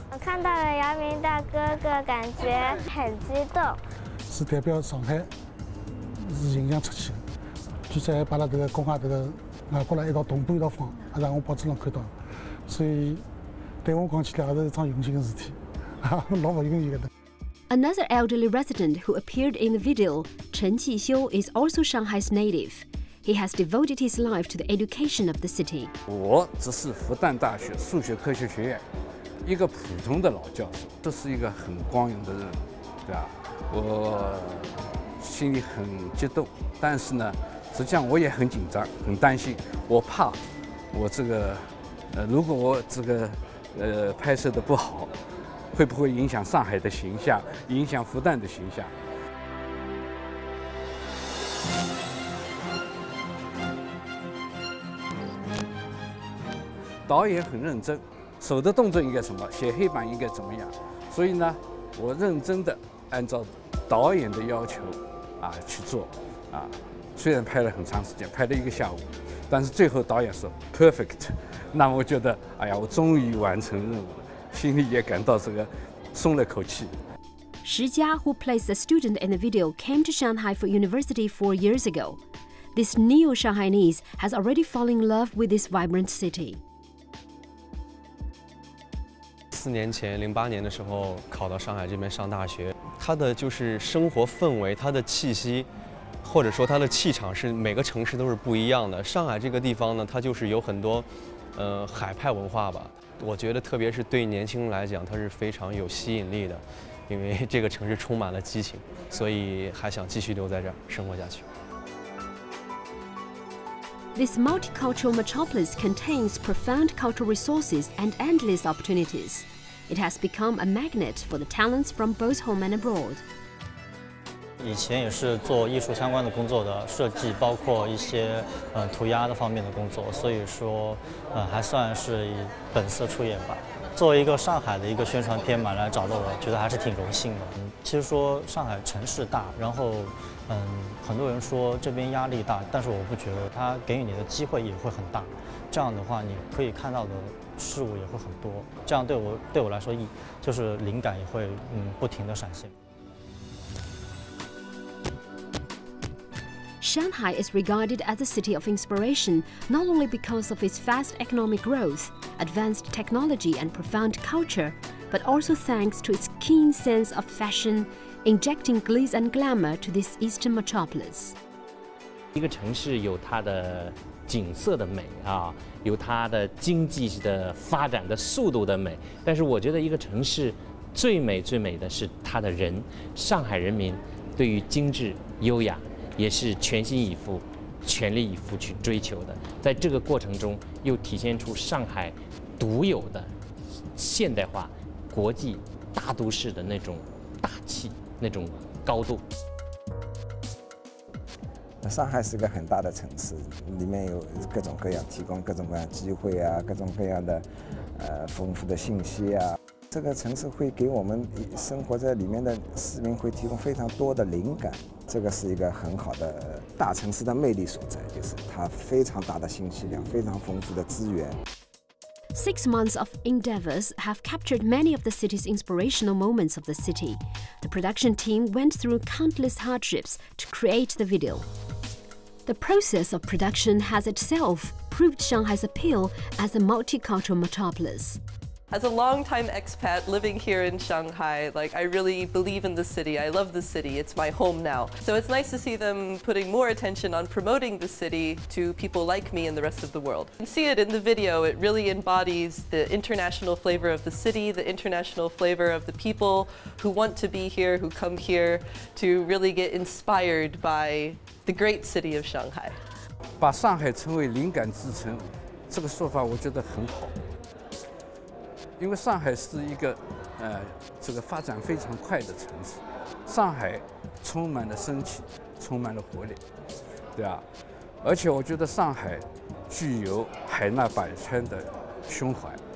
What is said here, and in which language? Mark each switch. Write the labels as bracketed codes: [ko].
[zh] 我看到了姚明大哥哥，感觉很激动。是代表上海，是形象出去，就在把那这个公开这个外国人一道同步一道放，还让我报纸上看到，所以对我讲起来还是一桩荣幸的事体，老不容易的。 [en] Another elderly resident who appeared in the video, Chen Qixiu, is also Shanghai's native. He has devoted his life to the education of the city. [zh] 我只是复旦大学数学科学学院一个普通的老教授，这是一个很光荣的任务，对吧？我心里很激动，但是呢，实际上我也很紧张，很担心，我怕我这个，如果我这个，拍摄的不好。会不会影响上海的形象，影响复旦的形象？导演很认真，手的动作应该什么，写黑板应该怎么样，所以呢，我认真的按照导演的要求啊去做，啊，虽然拍了很长时间，拍了一个下午，但是最后导演说 perfect， 那我觉得，哎呀，我终于完成任务了。心里也感到这个松了口气。 [en] 石佳 who plays the student in the video, came to Shanghai for university 4 years ago. This neo Shanghainese has already fallen in love with this vibrant city. [zh] 4年前，2008年的时候考到上海这边上大学，它的就是生活氛围，它的气息，或者说它的气场是每个城市都是不一样的。上海这个地方呢，它就是有很多，海派文化吧。我觉得特别是对年轻人来讲，它是非常有吸引力的，因为这个城市充满了激情，所以还想继续留在这儿生活下去。 [en] This multicultural metropolis contains profound cultural resources and endless opportunities. It has become a magnet for the talents from both home and abroad. [zh] 以前也是做艺术相关的工作的，设计包括一些涂鸦的方面的工作，所以说还算是本色出演吧。作为一个上海的一个宣传片嘛，来找到我觉得还是挺荣幸的。其实说上海城市大，然后很多人说这边压力大，但是我不觉得，它给予你的机会也会很大，这样的话你可以看到的事物也会很多，这样对我来说就是灵感也会不停地闪现。 [en] Shanghai is regarded as a city of inspiration, not only because of its fast economic growth, advanced technology and profound culture, but also thanks to its keen sense of fashion, injecting glitz and glamour to this eastern metropolis. [zh] 一个城市有它的景色的美啊，有它的经济的发展的速度的美，但是我觉得一个城市最美最美的是它的人，上海人民对于精致优雅也是全心以赴全力以赴去追求的，在这个过程中又体现出上海独有的现代化国际大都市的那种大气那种高度。上海是个很大的城市，里面有各种各样提供各种各样机会啊，各种各样的丰富的信息啊，这个城市会给我们生活在里面的市民会提供非常多的灵感，这个是一个很好的大城市的魅力所在，就是它非常大的信息量，非常丰富的资源。 [en] 6 months of endeavors have captured many of the city's inspirational moments of the city. The production team went through countless hardships to create the video. The process of production has itself proved Shanghai's appeal as a multicultural metropolis. As a longtime expat living here in Shanghai, like, I really believe in the city. I love the city. It's my home now. So it's nice to see them putting more attention on promoting the city to people like me and the rest of the world. You can see it in the video. It really embodies the international flavor of the city, the international flavor of the people who want to be here, who come here to really get inspired by the great city of Shanghai. [zh] 把上海称为灵感之城，这个说法我觉得很好。因为上海是一个这个发展非常快的城市，上海充满了生气，充满了活力，对吧？而且我觉得上海具有海纳百川的胸怀，